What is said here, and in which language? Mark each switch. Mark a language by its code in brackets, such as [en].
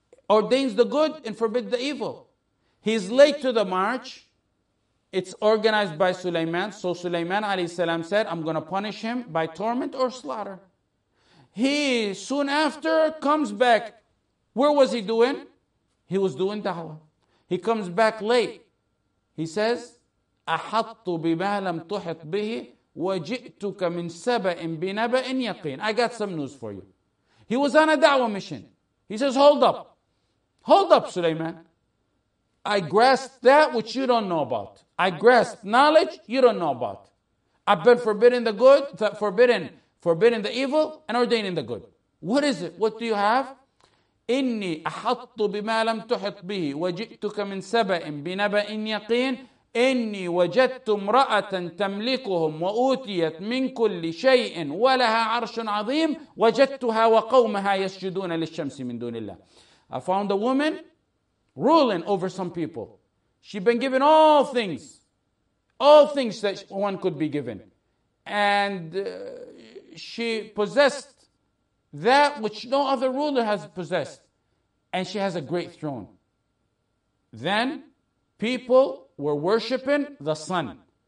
[en] Ordains the good and forbid the evil. He's late to the march. It's organized by Sulaiman. So Sulaiman alayhi salam said, I'm going to punish him by torment or slaughter. He soon after comes back. Where was he doing? He was doing da'wah. He comes back late. He says, [ar] أَحَطُّ بِمَا لَمْ تُحِطْ بِهِ وَجِئْتُكَ مِنْ سَبَئٍ بِنَبَئٍ يَقِينٍ [en] I got some news for you. He was on a da'wah mission. He says, hold up. Hold up, Sulaiman. I grasped that which you don't know about. I grasped knowledge you don't know about. I've been forbidden the good, forbidden the evil, and ordaining the good. What is it? What do you have? [ar] إِنِّي أَحَطُّ بِمَا لَمْ تُحِطْ بِهِ وَجِئْتُكَ مِنْ سَبَئٍ بِنَبَئٍ يَقِينٍ إِنِّي وَجَدْتُ امْرَأَةً تَمْلِكُهُمْ وَأُوتِيَتْ مِنْ كُلِّ شَيْءٍ وَلَهَا عَرْشٌ عَظِيمٌ وَجَدْتُهَا وَقَوْمَهَا يَسْجُدُونَ لِلشَّمْسِ مِنْ دُونِ اللَّهِ [en] I found a woman ruling over some people. She'd been given all things that one could be given. And she possessed that which no other ruler has possessed. And she has a great throne. Then people were worshipping the sun.